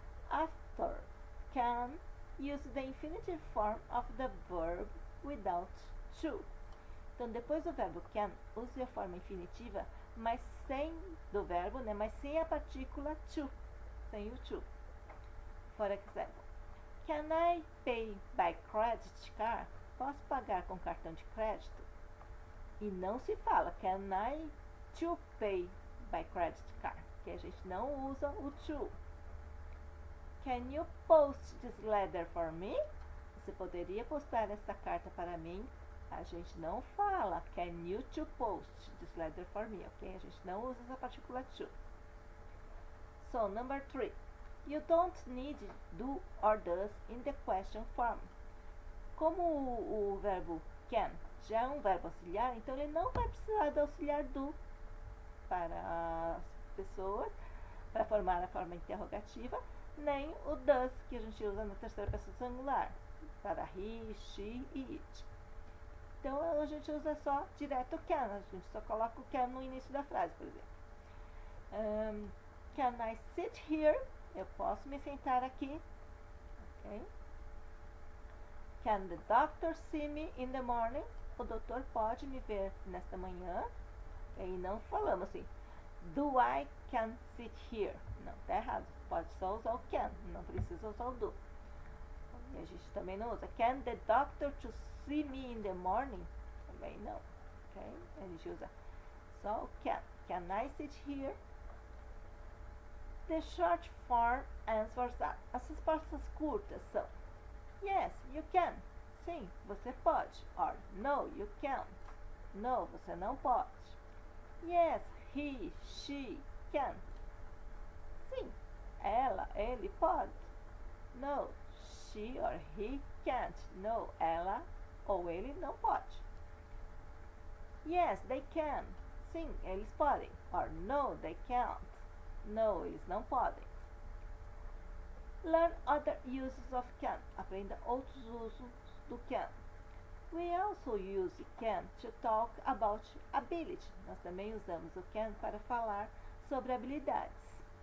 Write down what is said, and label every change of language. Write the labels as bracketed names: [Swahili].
[English] After can, use the infinitive form of the verb without to. [Portuguese] Então, depois do verbo can, use a forma infinitiva, mas sem do verbo, né? Mas sem a partícula to, sem o to. [English] For example, can I pay by credit card? [Portuguese] Posso pagar com cartão de crédito? E não se fala [English] can I to pay by credit card, [Portuguese] que a gente não usa o to. [English] Can you post this letter for me? [Portuguese] Você poderia postar esta carta para mim? A gente não fala [English] can you to post this letter for me, [Portuguese] ok? A gente não usa essa partícula to. [English] So, number three. You don't need do or does in the question form. [Portuguese] Como o verbo can já é um verbo auxiliar, então ele não vai precisar do auxiliar do para as pessoas, para formar a forma interrogativa, nem o does, que a gente usa na terceira pessoa do singular, para he, she e it. Então, a gente usa só direto o can. A gente só coloca o can no início da frase, por exemplo. [English] Can I sit here? [Portuguese] Eu posso me sentar aqui. [English] Okay. Can the doctor see me in the morning? [Portuguese] O doutor pode me ver nesta manhã? Okay. E não falamos assim. [English] Do I can sit here? [Portuguese] Não, tá errado. Pode só usar o can, não precisa usar o do. E a gente também não usa. [English] Can the doctor to see me in the morning? [Portuguese] Também não. Okay? A gente usa só o can. [English] Can I sit here? The short form answers that. [Portuguese] As respostas curtas são [English] yes, you can. [Portuguese] Sim, você pode. [English] Or no, you can't. [Portuguese] No, você não pode. [English] Yes, he, she can. [Portuguese] Sim. Ela, ele pode. [English] No, she or he can't. [Portuguese] No, ela ou ele não pode. [English] Yes, they can. [Portuguese] Sim, eles podem. [English] Or no, they can't. [Portuguese] No, eles não podem. [English] Learn other uses of can. [Portuguese] Aprenda outros usos do can. [English] We also use can to talk about ability. [Portuguese] Nós também usamos o can para falar sobre habilidades.